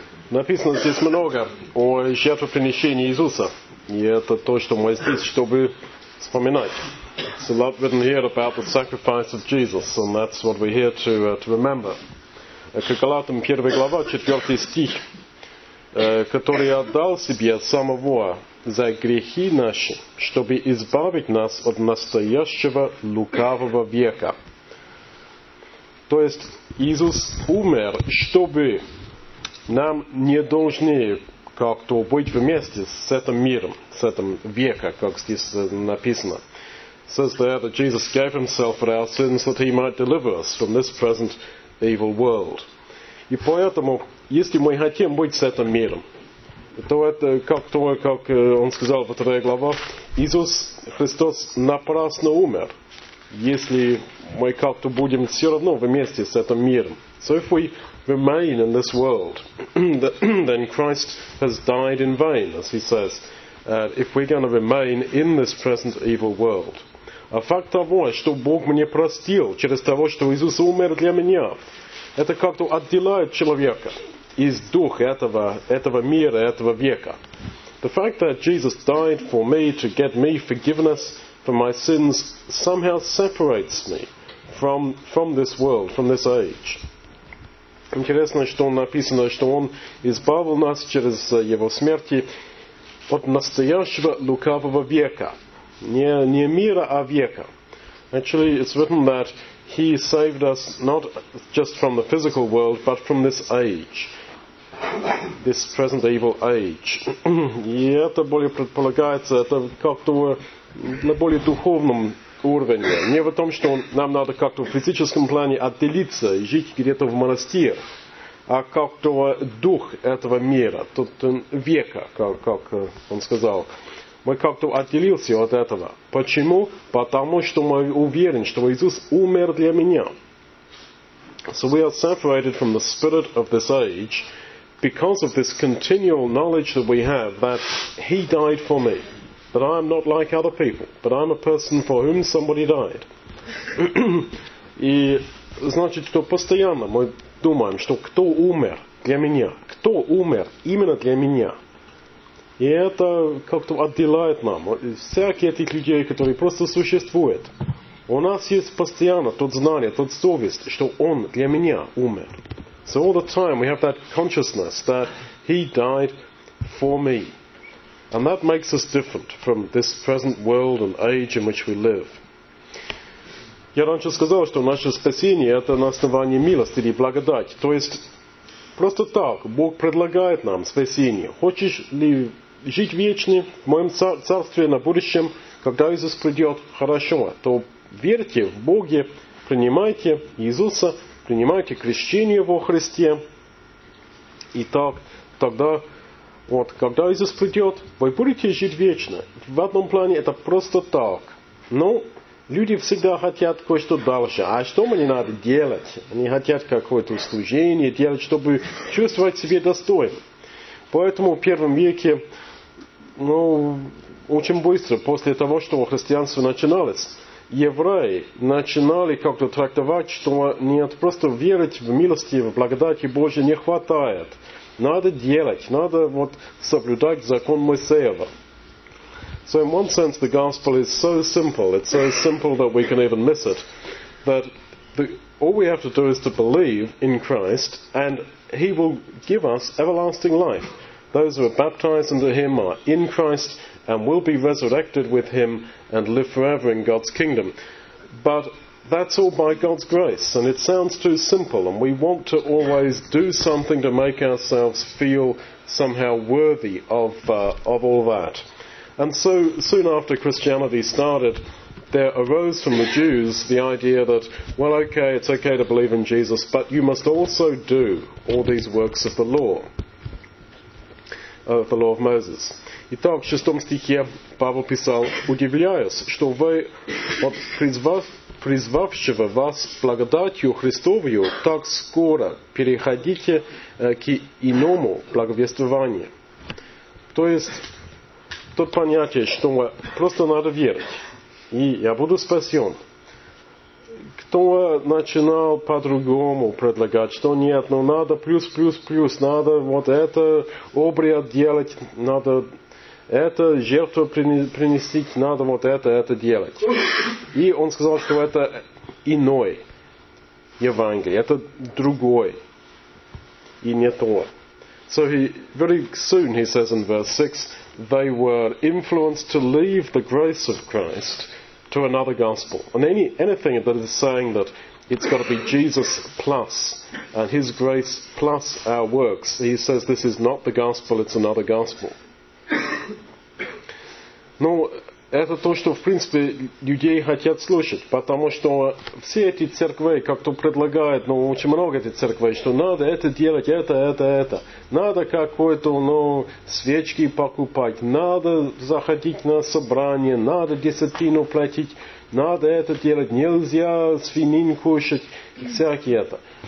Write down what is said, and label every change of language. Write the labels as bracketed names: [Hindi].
[Russian] Написано здесь много о жертвоприношении Иисуса. И это то, что мы здесь, чтобы вспоминать. [English] So a lot written here about the sacrifice of Jesus, and that's what we're here to remember. [Russian] К Галатам 1 глава, 4 стих, который отдал себе самого за грехи наши, чтобы избавить нас от настоящего лукавого века. То есть Иисус умер, чтобы нам не должны как-то быть вместе с этим миром, с этим веком, как здесь написано. [English] It says there that Jesus gave himself for our sins that he might deliver us from this present evil world. [Russian] И поэтому, если мы хотим быть с этим миром, то это как-то, как он сказал во второй главе, Иисус Христос напрасно умер, если мы как-то будем все равно вместе с этим миром. [English] So if we remain in this world, then Christ has died in vain, as he says, if we're going to remain in this present evil world. [Russian] А факт того, что Бог мне простил через того, что Иисус умер для меня, это как-то отделяет человека из духа этого мира, этого века. [English] The fact that Jesus died for me to get me forgiveness for my sins somehow separates me from this world, from this age. [Russian] Интересно, что написано, что он избавил нас через его смерти от настоящего лукавого века. Не мира, а века. [English] Actually, it's written that he saved us not just from the physical world, but from this age. This present evil age. [Russian] И это более предполагается, это как-то на более духовном уровне. Не в том, что нам надо как-то в физическом плане отделиться и жить где-то в монастире, а как-то дух этого мира, тот века, как он сказал. Мы как-то отделились от этого. Почему? Потому что мы уверены, что Иисус умер для меня. [English] So we are separated from the spirit of this age because of this continual knowledge that we have that he died for me. But I am not like other people, but I am a person for whom somebody died. [Russian] И значит, что постоянно мы думаем, что кто умер для меня? Кто умер именно для меня? И это как-то отделяет нам. Всякие этих людей, которые просто существуют. У нас есть постоянно тот знание, тот совесть, что он для меня умер. [English] So all the time we have that consciousness that he died for me. And that makes us different from this present world and age in which we live. [Russian] Я раньше сказал, что наше спасение – это на основании милости или благодати. То есть, просто так, Бог предлагает нам спасение. Хочешь ли жить вечно в моем царстве на будущем, когда Иисус придет? Хорошо. То верьте в Бога, принимайте Иисуса, принимайте крещение во Христе. И так, тогда... Вот, когда Иисус придет, вы будете жить вечно. В одном плане это просто так. Но люди всегда хотят кое-что дальше. А что мне надо делать? Они хотят какое-то служение делать, чтобы чувствовать себя достойным. Поэтому в первом веке, ну, очень быстро, после того, что христианство начиналось, евреи начинали как-то трактовать, что нет, просто верить в милости, в благодати Божьей не хватает. Надо делать, надо вот соблюдать закон Моисеева. [English] So in one sense the gospel is so simple, it's so simple that we can even miss it, that all we have to do is to believe in Christ and he will give us everlasting life. Those who are baptized into him are in Christ and will be resurrected with him and live forever in God's kingdom. But that's all by God's grace, and it sounds too simple, and we want to always do something to make ourselves feel somehow worthy of all that. And so, soon after Christianity started, there arose from the Jews the idea that, well, okay, it's okay to believe in Jesus, but you must also do all these works of the law of Moses. [Russian] Итак, в шестом стихе Павел писал, удивляюсь, что вы от призвавшего вас благодатью Христовую, так скоро переходите к иному благовествованию. То есть, то понятие, что просто надо верить, и я буду спасен. К Кто начинал по-другому предлагать, что нет, ну надо плюс, надо вот это обряд делать, надо это жертву принести, надо вот это делать. И он сказал, что это иной Евангелие, это другой и не то. [English] So he very soon he says in verse 6, they were influenced to leave the grace of Christ to another gospel. And anything that is saying that it's got to be Jesus plus and his grace plus our works, he says this is not the gospel, it's another gospel. [Russian] Ну, это то, что в принципе людей хотят слушать, потому что все эти церкви как-то предлагают, ну очень много этих церквей, что надо это делать, это. Надо какой-то, ну, свечки покупать, надо заходить на собрание, надо десятину платить, надо это делать, нельзя свинину кушать, всякие это.